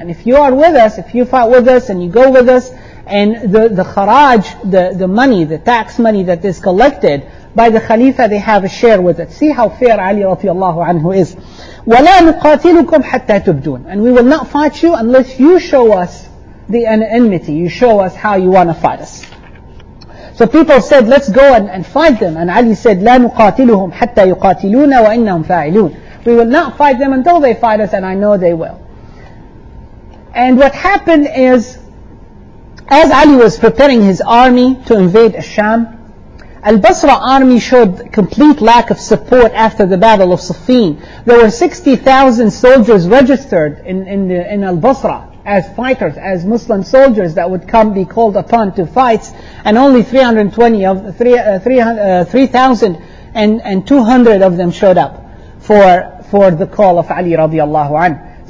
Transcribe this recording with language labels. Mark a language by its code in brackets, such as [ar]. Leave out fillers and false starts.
[en] And if you are with us, if you fight with us and you go with us, and the kharaj, the money, the tax money that is collected by the khalifa, they have a share with it. See how fair Ali radiallahu anhu is. [ar] وَلَا نُقَاتِلُكُمْ حَتَّى تُبْدُونَ. [en] And we will not fight you unless you show us the enmity, you show us how you want to fight us. So people said, let's go and fight them. And Ali said, [ar] لا نقاتلهم حتى يقاتلون وإنهم فاعلون. [en] We will not fight them until they fight us, and I know they will. And what happened is, as Ali was preparing his army to invade Al-Sham, Al-Basra army showed complete lack of support after the Battle of Siffin. There were 60,000 soldiers registered in Al-Basra as fighters, as Muslim soldiers that would come be called upon to fight, and only 3,200 of them showed up for the call of Ali radiallahu anhu.